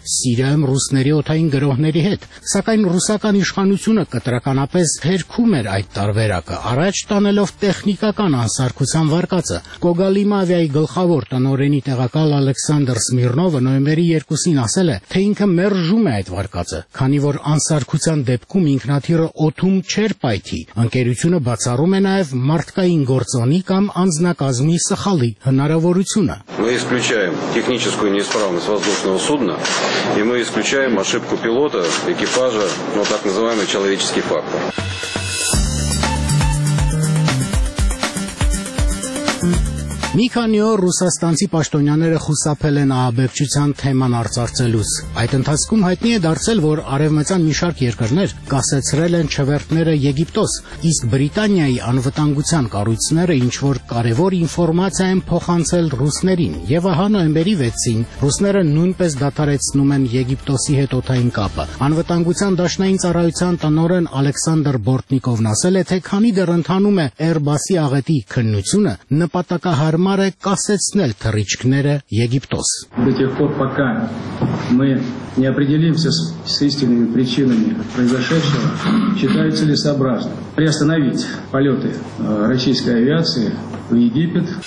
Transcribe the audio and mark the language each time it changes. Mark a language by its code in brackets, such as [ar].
[hy] Սիրիայում ռուսների օթային գրողների հետ։ Սակայն ռուսական իշխանությունը կտրականապես հերքում էր այդ տարբերակը, առաջ տանելով տեխնիկական անսարքության վարկածը։ Կոգալիմավիայի գլխավոր տնօրենի տեղակալ Ալեքսանդր Սմիրնովը նոյեմբերի 2-ին ասել է, թե ինքը մերժում է այդ վարկածը, քանի որ անսարքության դեպքում ինքնաթիռը օդում չէր պայթի։ Ընկերությունը բացառում է նաև մարդկային գործոնի կամ անձնակազմի սխալի հնարավորությունը։ [ru] Мы исключаем техническую неисправность воздушного судна, и мы исключаем ошибку пилота, экипажа, но так называемый человеческий фактор. [hy] Մի քանի օր ռուսաստանցի պաշտոնյաները խուսափել են ահաբեկչության թեման արձարծելուց։ Այդ ընթացքում հայտնի է դարձել, որ արևմտյան մի շարք երկրներ կասեցրել են չվերթները Եգիպտոս, իսկ Բրիտանիայի անվտանգության կառույցները ինչ-որ կարևոր ինֆորմացիա են փոխանցել ռուսներին։ Եվ ահա նոյեմբերի 6-ին ռուսները նույնպես դադարեցնում են Եգիպտոսի հետ օթային կապը։ Անվտանգության դաշնային ծառայության տնօրեն Ալեքսանդր Բորտնիկովն ասել է, թե քանի դեռ ընթանում է Airbus-ի աղետի քննությունը, նպատակահար հարմար է կասեցնել թռիչքները Եգիպտոս։ [ru] До тех пор, пока мы не определимся с истинными причинами произошедшего, считается ли сообразным приостановить полеты российской авиации в Египет.